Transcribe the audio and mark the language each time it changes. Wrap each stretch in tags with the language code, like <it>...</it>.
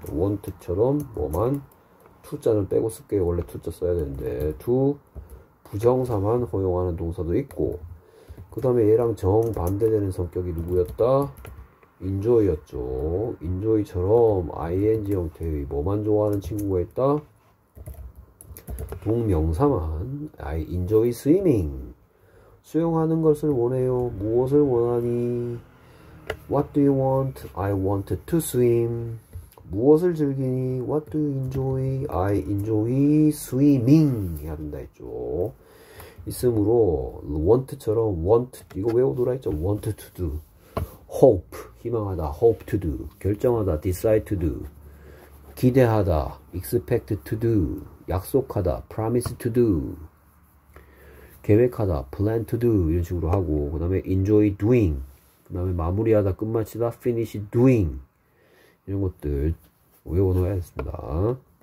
<ko>want처럼 뭐만 투자는 빼고 쓸게요. 원래 투자 써야 되는데. to 부정사만 허용하는 동사도 있고. 그 다음에 얘랑 정반대되는 성격이 누구였다? enjoy였죠. enjoy처럼 ing 형태의 뭐만 좋아하는 친구가 있다?</ko> <en>동명사만 I enjoy swimming.</en> <ko>수영하는 것을 원해요. 무엇을 원하니?</ko> <en>What do you want? I want to swim.</en> <ko>무엇을 즐기니?</ko> <en>What do you enjoy? I enjoy swimming.</en> <ko>해야 된다 했죠. 있으므로 want처럼 want 이거 외워두라 했죠.</ko> <en>want to do.</en> <ko>hope 희망하다, hope to do, 결정하다, decide to do, 기대하다, expect to do, 약속하다, promise to do, 계획하다, plan to do 이런 식으로 하고 그 다음에 enjoy doing, 그 다음에 마무리하다, 끝마치다, finish doing 이런 것들 외워놓아야겠습니다.</ko>